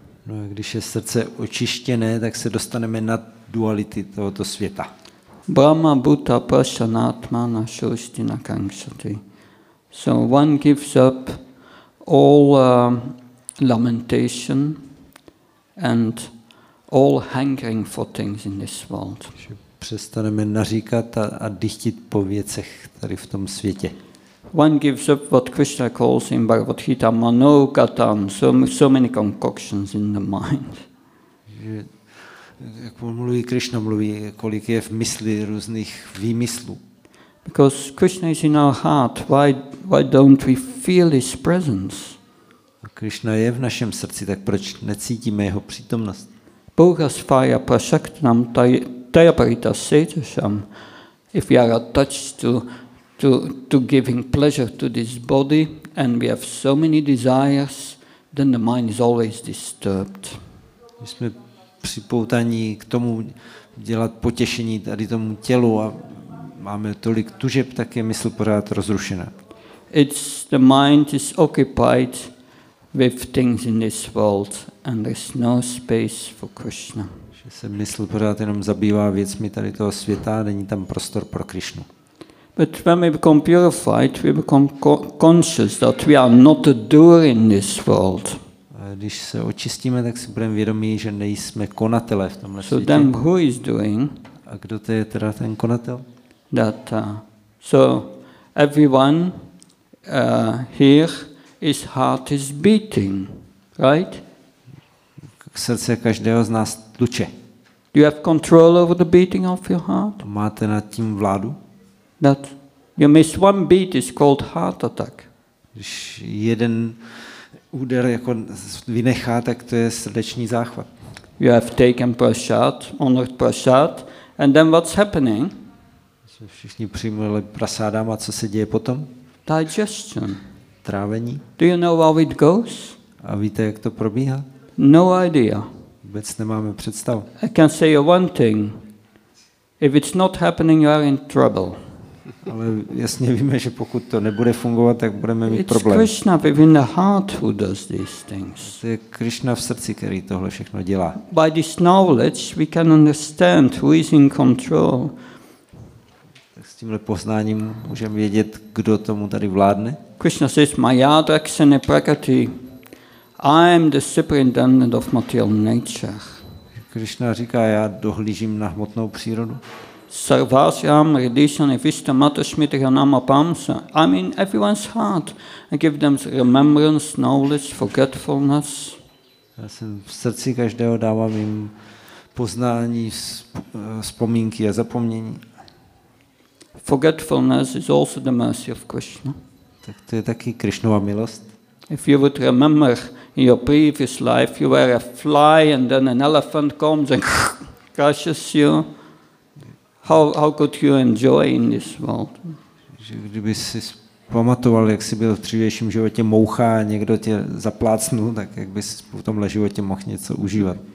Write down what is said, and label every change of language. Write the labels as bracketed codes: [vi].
[cs] No, když je srdce očištěné, tak se dostaneme nad duality tohoto světa. [sa] Brahma, Buddha, Prasanna, Atmana, Shrushti, Nakankshati. [en] So one gives up all lamentation and all hankering for things in this world. [cs] Přestaneme naříkat a dýchtit po věcech tady v tom světě. [en] One gives up what Krishna calls in Bhagavad Gita manokatam, so many concoctions in the mind. [cs] Jak mluví Krishna, mluví, kolik je v mysli různých výmyslů. [en] Because Krishna is in our heart, why don't we feel his presence? [cs] Krishna je v našem srdci, tak proč necítíme jeho přítomnost? [sa] Bhogasvaya prasaktam tayaparita setasam, [en] if we are attached to giving pleasure to this body and we have so many desires, then the mind is always disturbed. [cs] My jsme připoutaní k tomu dělat potěšení tady tomu tělu a máme tolik tužeb, tak je mysl pořád rozrušená. [en] It's the mind is occupied with things in this world and there's no space for Krishna. [cs] Že se mysl pořád jenom zabývá věcmi tady toho světa, není tam prostor pro Krishnu. [en] But when we become purified, we become conscious that we are not a doer in this world. [cs] Když se očistíme, tak si budeme vědomí, že nejsme konatelé v tomhle světě. [en] So then who is doing? [cs] A kdo to je teda ten konatel? [en] That so everyone here his heart is beating, right? [cs] Srdce každého z nás tluče. [en] Do you have control over the beating of your heart? [cs] Máte nad tím vládu? [en] That you miss one beat is called heart attack. [cs] Když jeden úder jako vynechá, tak to je srdeční záchvat. [en] You have taken prasad, honored prasad, and then what's happening? [cs] Všichni přijmuli prasádám a co se děje potom? [en] Digestion. [cs] Trávení. [en] Do you know how it goes? [cs] A víte, jak to probíhá? [en] No idea. [cs] Vůbec nemáme představu. [en] I can say you one thing. If it's not happening, you are in trouble. [cs] Ale jasně víme, že pokud to nebude fungovat, tak budeme mít [en] it's [cs] problém. [en] It's Krishna within the heart who does these things. [cs] To je Krishna v srdci, který tohle všechno dělá. [en] By this knowledge we can understand who is in control. [cs] Tak s tímhle poznáním můžeme vědět, kdo tomu tady vládne. [en] Krishna says, [sa] Maya drakshane prakati, [en] I am the superintendent of material nature. [cs] Krishna říká, já dohlížím na hmotnou přírodu. [sa] Sarvasyam radishane vistamata smitranama pamsa. [en] I mean everyone's heart. I give them remembrance, knowledge, forgetfulness. [cs] Já jsem v srdci každého dávám jim poznání, vzpomínky a zapomnění. [en] Forgetfulness is also the mercy of Krishna. [cs] Tak to je taky Krishnova milost. [en] If you would remember in your previous life, you were a fly and then an elephant comes and crushes you. How could you enjoy in this world? [cs] Že kdyby si pamatoval, jak jsi byl v dřívějším životě moucha a někdo tě zaplácnul, tak jak bys v tomhle životě mohl něco užívat?